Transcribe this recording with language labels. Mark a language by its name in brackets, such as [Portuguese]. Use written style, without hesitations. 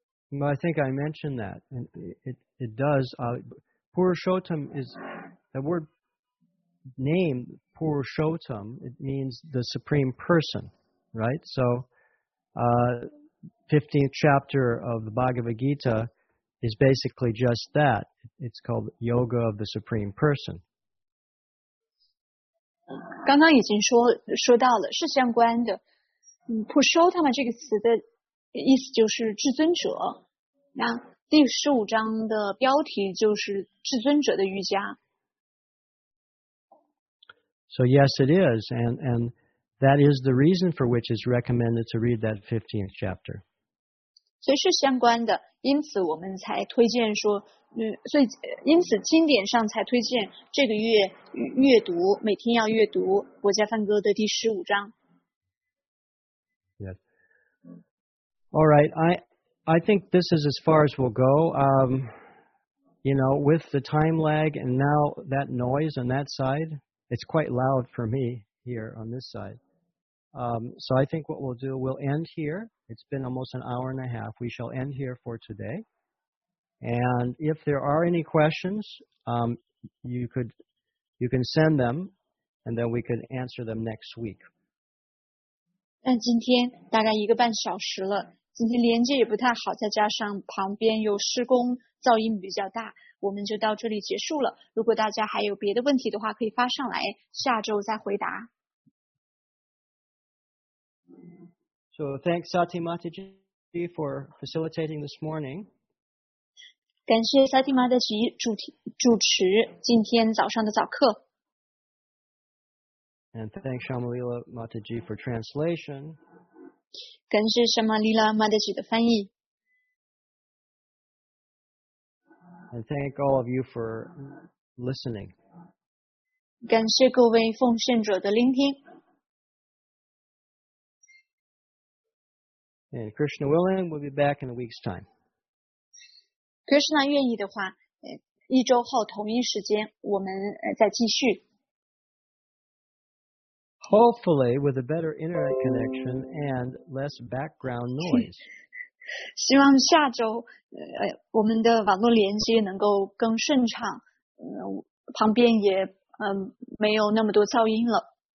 [English] Well, I think I mentioned that, and it does. Purushottam is the word name. Purushottam, it means the supreme person, right? So, 15th chapter of the Bhagavad Gita is basically just that. It's called Yoga of the Supreme Person. [Chinese] 刚刚已经说到了，是相关的。 Purushottama 这个词的意思就是至尊者。那第十五章的标题就是至尊者的瑜伽。 [English] So yes, it is, and that is the reason for which it's recommended to read that 15th chapter. [Chinese] 所以是相关的，因此我们才推荐说，所以因此经典上才推荐这个月阅读，每天要阅读《国家梵歌》的第十五章。 [English] Yes. All right. I think this is as far as we'll go. You know, with the time lag and now that noise on that side, it's quite loud for me here on this side. So I think what we'll do, we'll end here. It's been almost an hour and a half. We shall end here for today. And if there are any questions, you can send them, and then we can answer them next week. [Chinese] 但今天大概一个半小时了，今天连接也不太好，再加上旁边有施工，噪音比较大，我们就到这里结束了。如果大家还有别的问题的话，可以发上来，下周再回答。 [English] So thanks, Sati Mataji, for facilitating this morning. [Chinese] 感谢 Sati Mataji 主持今天早上的早课。 [English] And thanks, Shyamalila Mataji, for translation. [Chinese] 感谢 Shyamalila Mataji 的翻译。 [English] I thank all of you for listening. [Chinese] 感谢各位奉献者的聆听。 [English] And Krishna willing, we'll be back in a week's time. [Chinese] Krishna 愿意的话，一周后同一时间我们再继续。 [English] Hopefully with a better internet connection and less background noise. [Chinese] 希望下周我们的网络连接能够更顺畅，旁边也没有那么多噪音了。